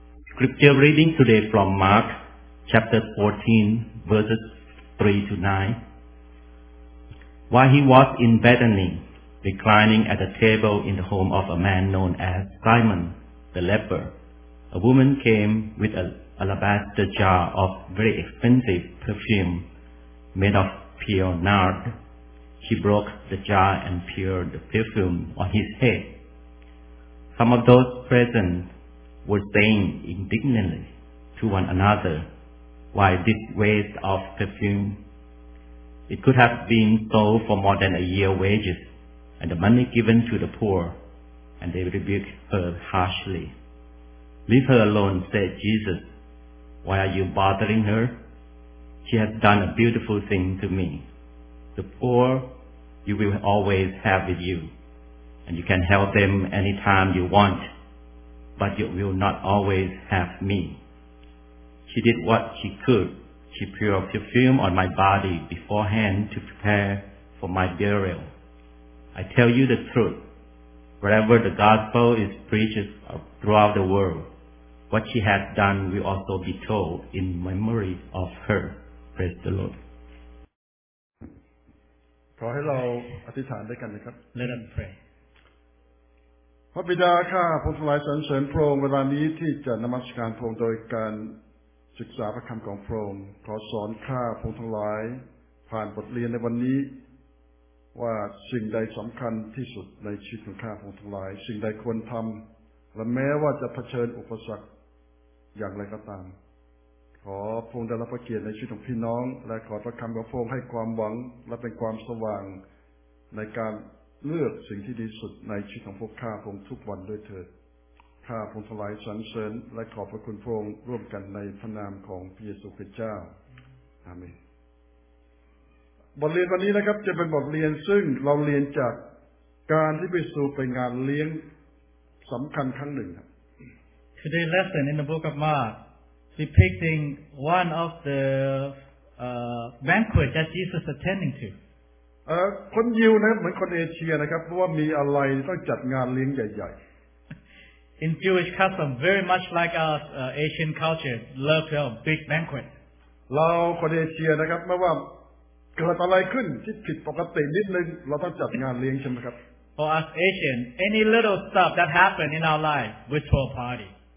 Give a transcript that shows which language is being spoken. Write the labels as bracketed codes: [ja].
[en] Scripture reading today from Mark chapter 14 verses 3 to 9 While he was in Bethany reclining at a table in the home of a man known as Simon the leper a woman came with an alabaster jar of very expensive perfume made of pure nard She broke the jar and poured the perfume on his head. Some of those present were saying indignantly to one another, Why this waste of perfume? It could have been sold for more than a year's wages, and the money given to the poor. And they rebuked her harshly. Leave her alone, said Jesus. Why are you bothering her? She has done a beautiful thing to me. The poor you will always have with you, and you can help them any time you want, but you will not always have me. She did what she could. She poured perfume on my body beforehand to prepare for my burial. I tell you the truth, wherever the gospel is preached throughout the world, what she has done will also be told in memory of her. Praise the Lord. [th] ขอให้เราอธิษฐานด้วยกันนะครับ [en] Let us pray [th] พระบิดาข้าผมถวายสรรเสริญพระองค์เวลานี้ที่จะนมัสการพระองค์โดยการศึกษาพระคำของพระองค์ขอสอนข้าพระองค์ทั้งหลายผ่านบทเรียนในวันนี้ว่าสิ่งใดสำคัญที่สุดในชีวิตของข้าพระองค์ทั้งหลายสิ่งใดควรทำและแม้ว่าจะเผชิญอุปสรรคอย่างไรก็ตาม ขอพระองค์ได้รับพระเกียรติในชีวิตของพี่น้องและขอพระคำของพระองค์ให้ความหวังและเป็นความสว่างในการเลือกสิ่งที่ดีสุดในชีวิตของพวกข้าพระองค์ทุกวันด้วยเถิดข้าพระองค์ถวายสรรเสริญและขอบพระคุณพระองค์ร่วมกันในพระนามของพระเยซูคริสต์เจ้าอาเมนบทเรียนวันนี้นะครับจะเป็นบทเรียนซึ่งเราเรียนจากการที่พระเยซูไปงานเลี้ยงสำคัญครั้งหนึ่ง [en] Today lesson in the book of MarkDepicting one of the banquet that Jesus attending to. [th] คนยิวนะเหมือนคนเอเชียนะครับเพราะว่ามีอะไรต้องจัดงานเลี้ยงใหญ่ๆ [en] In Jewish custom, very much like us, Asian culture, love to have a big banquet. [th] เราคนเอเชียนะครับไม่ว่าเกิดอะไรขึ้นที่ผิดปกตินิดนึงเราต้องจัดงานเลี้ยงใช่ไหมครับ [en] For us Asian, any little stuff that happened in our life, we throw a party.